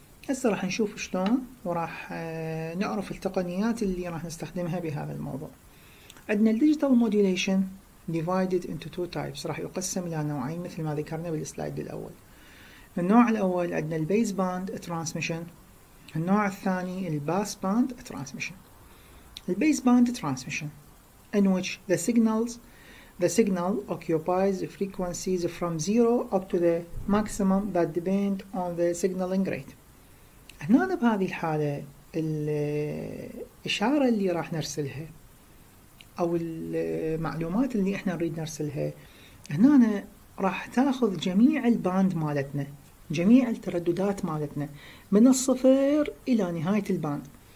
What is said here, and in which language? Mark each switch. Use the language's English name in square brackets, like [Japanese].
[Arabic] هسه راح نشوف شلون، وراح نعرف التقنيات اللي راح نستخدمها بهذا الموضوع. عندنا الديجيتال موديليشن [English] ديفايدد انتو تو تايبس، [Arabic] راح يقسم الى نوعين مثل ما ذكرنا بالسلايد الاول. النوع الاول عندنا البيس باند ترانسميشن، النوع الثاني الباس باند ترانسميشن. [English] البيس band transmission in which the signals The signal occupies frequencies from zero up to the maximum that depend on the signaling rate. [Arabic] هنا بهذه الحالة الإشارة اللي راح نرسلها أو المعلومات اللي إحنا نريد نرسلها هنا راح تأخذ جميع الباند مالتنا، جميع الترددات مالتنا من الصفر إلى نهاية الباند.